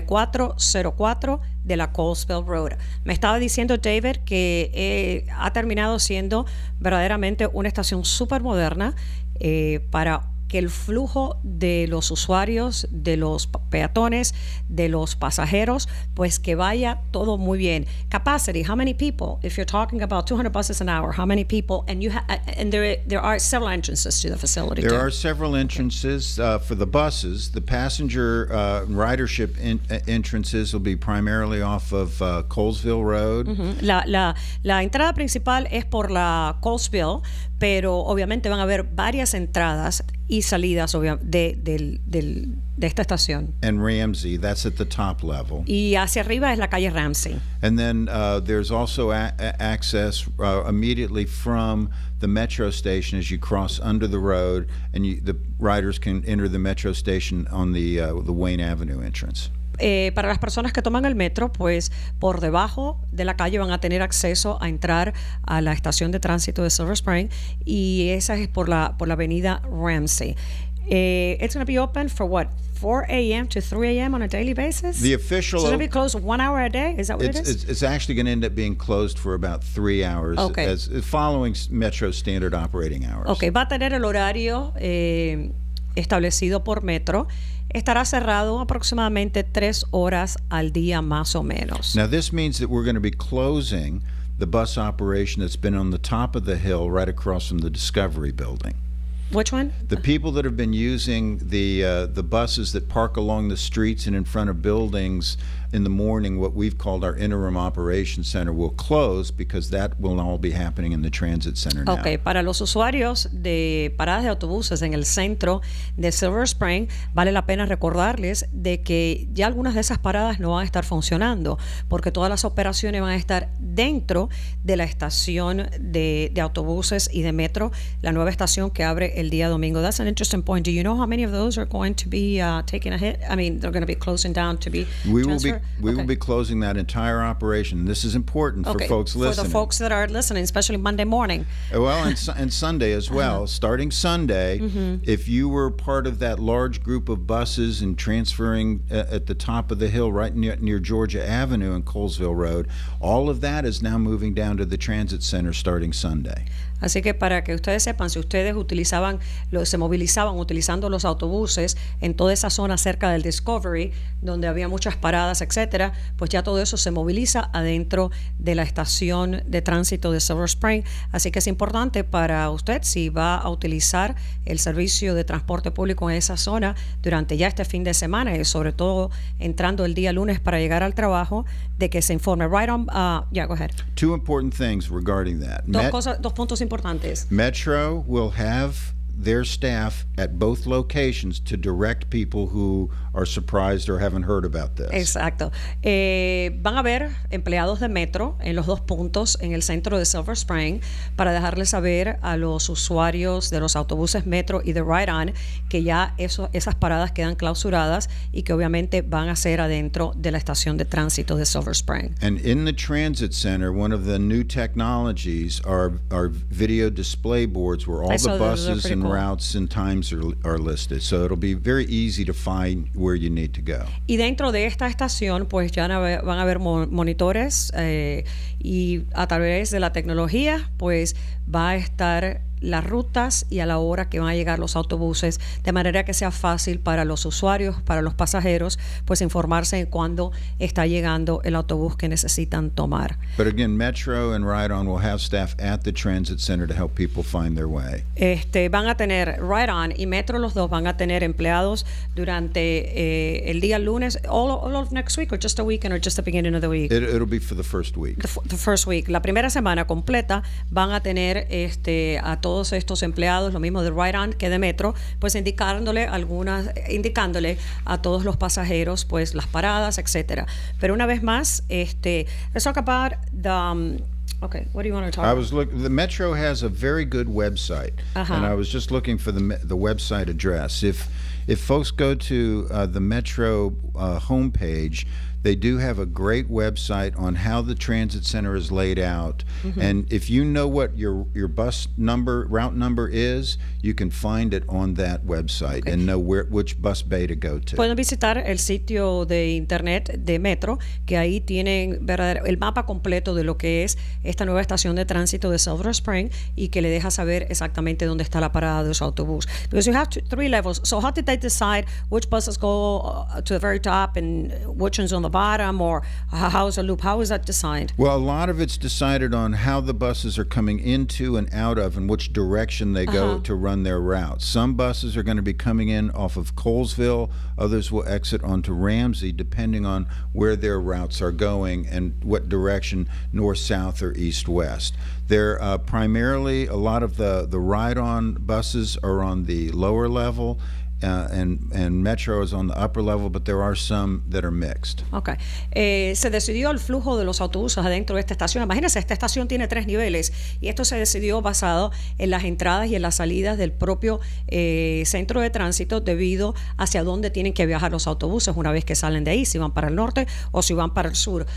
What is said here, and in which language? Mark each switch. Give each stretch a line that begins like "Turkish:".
Spanish: 8404 de la Colesville Road. Me estaba diciendo David que ha terminado siendo verdaderamente una estación súper moderna para que el flujo de los usuarios, de los peatones, de los pasajeros, pues que vaya todo muy bien.
English: Capacity, how many people? If you're talking about 200 buses an hour, how many people? And there are several entrances to the facility. There too. Are several entrances for the buses. The passenger ridership entrances will be primarily off of Colesville Road.
Spanish: La entrada principal es por la Colesville, pero obviamente van a haber varias entradas y salidas de esta estación.
English: And Ramsey, that's at the top level.
Spanish: Y hacia arriba es la calle Ramsey.
English: And then there's also access immediately from the metro station as you cross under the road, and the riders can enter the metro station on the Wayne Avenue entrance.
Spanish: Para las personas que toman el metro, pues por debajo de la calle van a tener acceso a entrar a la estación de tránsito de Silver Spring, y esa es por la avenida Ramsey.
English: It's going to be open for what? 4 a.m. to 3 a.m. on a daily basis? The official... It's going to be closed 1 hour a day? Is that what it is? It's actually going to end up being closed for about 3 hours. Okay. As following Metro standard operating hours. Okay.
Spanish: Va a tener el horario establecido por Metro. Estará cerrado aproximadamente 3 horas al día, más o menos.
English: Now, this means that we're going to be closing the bus operation that's been on the top of the hill right across from the Discovery Building. Which one? The people that have been using the buses that park along the streets and in front of buildings in the morning, what we've called our interim operation center, will close because that will all be happening in the transit center now.
Spanish: Okay, para los usuarios de paradas de autobuses en el centro de Silver Spring, vale la pena recordarles de que ya algunas de esas paradas no van a estar funcionando porque todas las operaciones van a estar dentro de la estación de autobuses y de metro, la nueva estación que abre el día domingo.
English: That's an interesting point. Do you know how many of those are going to be taking a hit? I mean, they're going to be closing down to be transferred? We will be closing that entire operation. This is important for folks listening. For the folks that are listening, especially Monday morning. Well, and Sunday as well. Uh-huh. Starting Sunday, if you were part of that large group of buses and transferring at the top of the hill right near Georgia Avenue and Colesville Road, all of that is now moving down to the transit center starting Sunday.
Spanish: Así que para que ustedes sepan, si ustedes se movilizaban utilizando los autobuses en toda esa zona cerca del Discovery, donde había muchas paradas, etcétera, pues ya todo eso se moviliza adentro de la estación de tránsito de Silver Spring. Así que es importante para usted, si va a utilizar el servicio de transporte público en esa zona durante ya este fin de semana, y sobre todo entrando el día lunes para llegar al trabajo, de que se informe.
English: Right on, go ahead. Two important things regarding that.
Spanish: Dos puntos importantes.
English: Metro will have their staff at both locations to direct people who are surprised or haven't heard about this.
Spanish: Exacto. Van a haber empleados de Metro en los dos puntos en el centro de Silver Spring para dejarles saber a los usuarios de los autobuses Metro y de Ride On que ya esas paradas quedan clausuradas y que obviamente van a ser adentro de la estación de tránsito de Silver Spring.
English: And in the transit center, one of the new technologies are video display boards where all the buses and routes and times are listed. So it'll be very easy to find where you need to go.
Spanish: Y dentro de esta estación, pues ya van a haber monitores y a través de la tecnología, pues va a estar las rutas y a la hora que van a llegar los autobuses, de manera que sea fácil para los usuarios, para los pasajeros, pues informarse en cuándo está llegando el autobús que necesitan tomar.
English: But again, Metro and Ride On will have staff at the transit center to help people find their way.
Spanish: Van a tener Ride On y Metro, los dos van a tener empleados durante el día lunes,
English: all of next week, or just a weekend, or just the beginning of the week. It'll be for the first week. The first week.
Spanish: La primera semana completa van a tener a todos estos empleados, lo mismo de Ride On que de Metro, pues indicándole a todos los pasajeros, pues las paradas, etcétera. Pero una vez más,
English: let's talk about the what do you want to talk about? The Metro has a very good website, and I was just looking for the website address. If folks go to the Metro homepage, they do have a great website on how the transit center is laid out. Mm-hmm. And if you know what your bus number, route number is, you can find it on that website and know which bus bay to go to.
Spanish: Pueden visitar el sitio de internet de Metro, que ahí tienen el mapa completo de lo que es esta nueva estación de tránsito de Silver Spring y que le deja saber exactamente dónde está la parada de los autobús.
English: Because you have three levels. So how did they decide which buses go to the very top and which ones on the bottom, or how is a loop? How is that designed? Well, a lot of it's decided on how the buses are coming into and out of and which direction they go to run their route. Some buses are going to be coming in off of Colesville, others will exit onto Ramsey, depending on where their routes are going and what direction, north, south, or east, west. They're primarily, a lot of the Ride On buses are on the lower level, And Metro is on the upper level, but there are some that are mixed. Okay.
Spanish: Se decidió el flujo de los autobuses adentro de esta estación. Imagínense, esta estación tiene tres niveles, y esto se decidió basado en las entradas y en las salidas del propio centro de tránsito debido hacia dónde tienen que viajar los autobuses una vez que salen de ahí, si van para el norte o si van para el sur.